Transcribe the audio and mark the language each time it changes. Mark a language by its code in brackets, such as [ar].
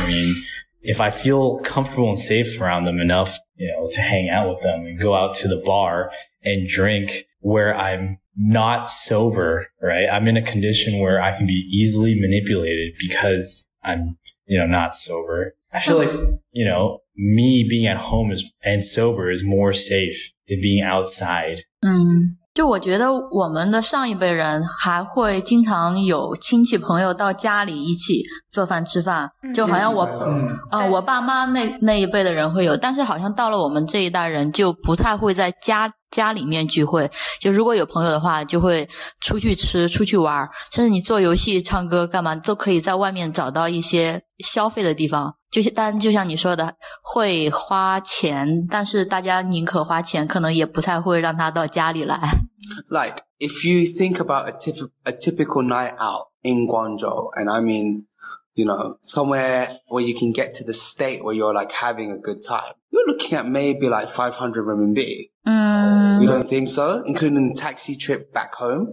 [en] I mean, if I feel comfortable and safe around them enough, you know, to hang out with them and go out to the bar and drink where I'm not sober, right? I'm in a condition where I can be easily manipulated because I'm, you know, not sober. I feel like, you know, me being at home and sober is more safe than being outside. [zh] 就我觉得我们的上一辈人还会经常有亲戚朋友到家里一起做饭吃饭，就好像我爸妈那一辈的人会有，但是好像到了我们这一代人就不太会在家里面聚会，就如果有朋友的话就会出去吃出去玩，甚至你做游戏唱歌干嘛都可以在外面找到一些消费的地方，就但就像你说的会花钱，但是大家宁可花钱可能也不太会让他到家里来。 [en] Like if you think about a typical night out in Guangzhou, and I mean, you know, somewhere where you can get to the state where you're like having a good time, you're looking at maybe like 500 RMB. You don't think so, including the taxi trip back home?